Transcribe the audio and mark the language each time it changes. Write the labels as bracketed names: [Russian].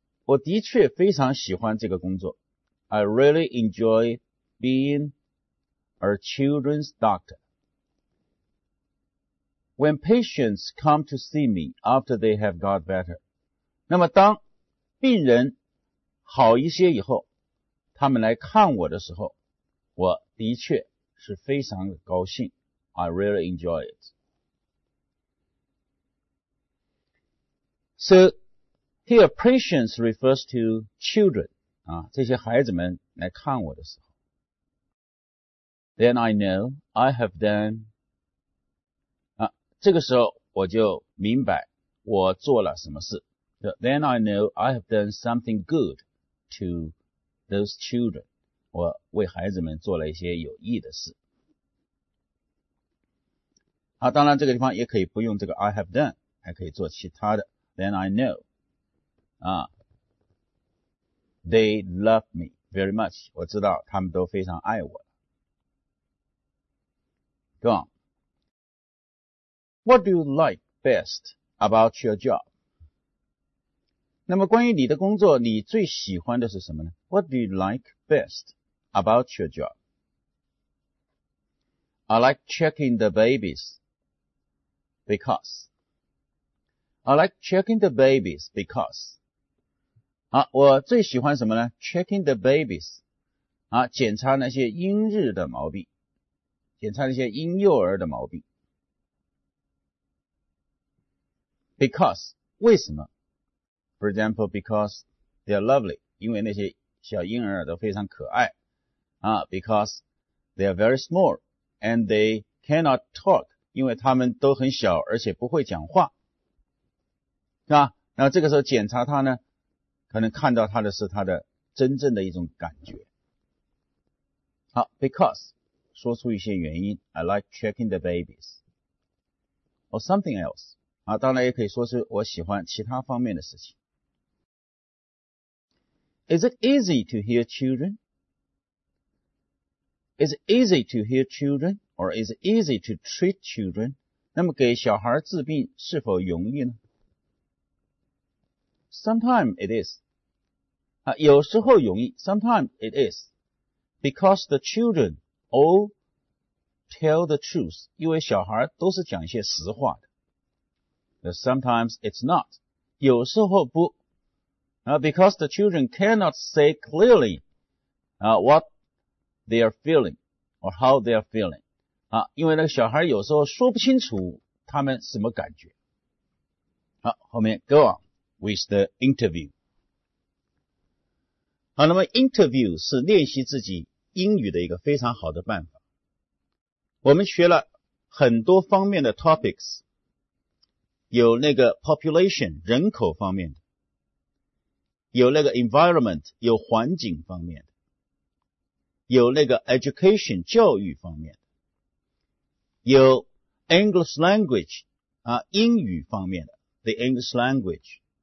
[Chinese] 我的确非常喜欢这个工作。 [English] I really enjoy being a children's doctor. When patients come to see me after they have got better. [Chinese] 那么当病人好一些以后，他们来看我的时候，我的确是非常高兴。 [English] I really enjoy it. So,Here, patients refers to children, [Chinese] 啊，这些孩子们来看我的时候。 [English] Then I know I have done, [Chinese] 啊，这个时候我就明白我做了什么事。 [English] Then I know I have done something good to those children. [Chinese] 我为孩子们做了一些有益的事。啊，当然这个地方也可以不用这个 [English] I have done, [Chinese] 还可以做其他的。 [English] Then I know. They love me very much. [Chinese] 我知道他们都非常爱我。 [English] Go on. What do you like best about your job? [Chinese] 那么关于你的工作，你最喜欢的是什么呢？ [English] What do you like best about your job? I like checking the babies because I like checking the babies because. [Chinese] 好，我最喜欢什么呢 ？ [English] Checking the babies， [Chinese] 啊，检查那些婴日的毛病，检查那些婴幼儿的毛病。 Because， 为什么 ？ [English] For example， because they are lovely， [Chinese] 因为那些小婴儿都非常可爱。啊 ， [English] because they are very small and they cannot talk， [Chinese] 因为他们都很小，而且不会讲话，是吧？那这个时候检查他呢？可能看到他的是他的真正的一种感觉。好 ，because 说出一些原因 ， [English] I like checking the babies or something else [Chinese] 啊，当然也可以说是我喜欢其他方面的事情。 [English] Is it easy to hear children? Is it easy to hear children, or is it easy to treat children? [Chinese] 那么给小孩治病是否容易呢？ [English] Sometimes it is. 啊， [Chinese] 有时候容易。 [English] Sometimes it is. Because the children all tell the truth. [Chinese] 因为小孩都是讲一些实话的。 [English] But sometimes it's not. [Chinese] 有时候不。 [English] Because the children cannot say clearly, what they are feeling or how they are feeling. [Chinese] 啊，因为那个小孩有时候说不清楚他们什么感觉。好，后面 [English] go on. With the interview. [Chinese] 好，那么 interview 是练习自己英语的一个非常好的办法。我们学了很多方面的 topics， 有那个 population 人口方面的，有那个 environment 有环境方面的，有那个 education 教育方面的，有 English language 啊英语方面的 the English language。